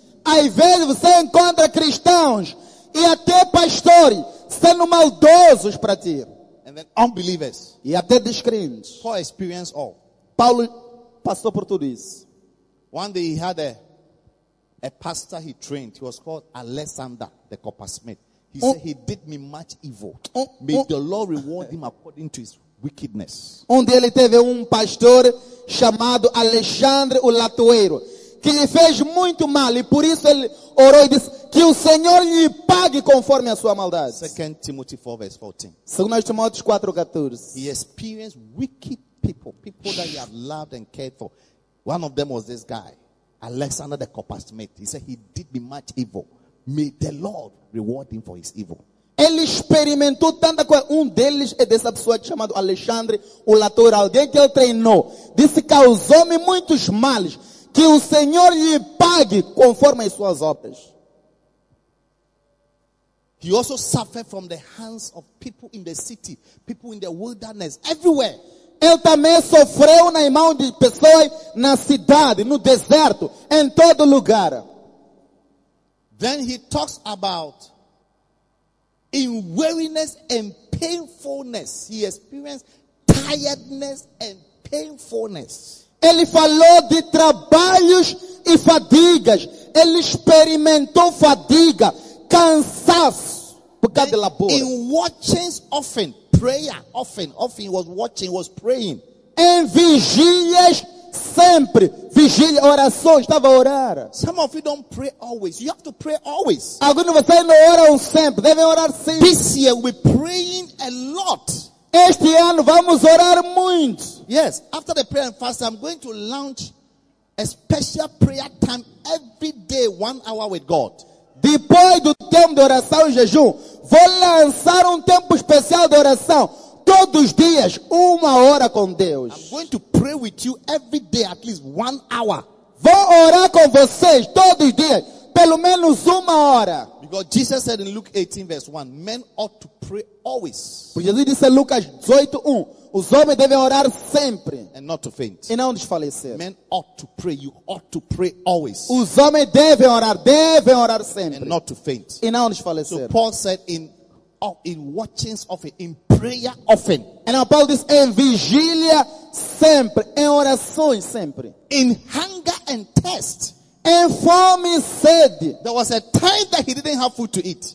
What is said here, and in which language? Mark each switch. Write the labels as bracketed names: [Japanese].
[Portuguese] Às vezes você encontra cristãos e até pastores sendo maldosos para ti. [English] And then unbelievers. [Portuguese] E até descrentes. [English] Paul experienced all. [Portuguese] Paulo passou por tudo isso. [English] One day he had a pastor he trained. He was called Alexander the Coppersmith. He said he did me much evil. May the Lord reward him according to his wickedness. [Portuguese] Onde ele teve pastor chamado Alexandre o Latoeiro, que lhe fez muito mal, e por isso ele orou e disse que o Senhor lhe pague conforme a sua maldade. [English] 2 Timothy 4 verse 14. [Portuguese] 2 Timóteo 4 14. [English] He experienced wicked people that he had loved and cared for. One of them was this guy, Alexander the Coppersmith. He said he did me much evil. May the Lord reward him for his evil. [Portuguese] Ele experimentou tanta coisa. Um deles é dessa pessoa chamada Alexandre, o Latour, alguém que ele treinou. Disse que causou-me muitos males. Que o Senhor lhe pague conforme as suas obras. [English] He also suffered from the hands of people in the city, people in the wilderness, everywhere. [Portuguese] Ele também sofreu na mão de pessoas na cidade, no deserto, em todo lugar. [English] Then he talks about in weariness and painfulness. He experienced tiredness and painfulness. [Portuguese] Ele falou de trabalhos e fadigas. Ele experimentou fadiga, cansaço por causa de labor. [English] In watchings often, prayer often, he was watching, was praying. [Portuguese] Em vigílias sempre, vigília, oração, estava a orar. [English] Some of you don't pray always. You have to pray always. [Portuguese] Alguns de vocês não oram sempre, devem orar sempre. [English] This year we're praying a lot. [Portuguese] Este ano vamos orar muito. [English] Yes, after the prayer and fast, I'm going to launch a special prayer time every day, 1 hour with God. [Portuguese] Depois do tempo de oração e jejum, vou lançar tempo especial de oração. Todos os dias, 1 hora com Deus. [English] I'm going to pray with you every day, at least 1 hour. [Portuguese] Vou orar com vocês todos os dias, pelo menos 1 hora. [English] Because Jesus said in Luke 18, verse 1, men ought to pray always. [Portuguese] Porque Jesus disse em Lucas 18, 1, os homens devem orar sempre. [English] And not to faint. [Portuguese] E não desfalecer. [English] Men ought to pray, you ought to pray always. [Portuguese] Os homens devem orar sempre. [English] And not to faint. [Portuguese] E não desfalecer. [English] So Paul said in watchings often, in prayer often. And now [Portuguese] Paul disse em vigília sempre, em orações sempre. [English] In hunger and thirst. And for me said, there was a time that he didn't have food to eat.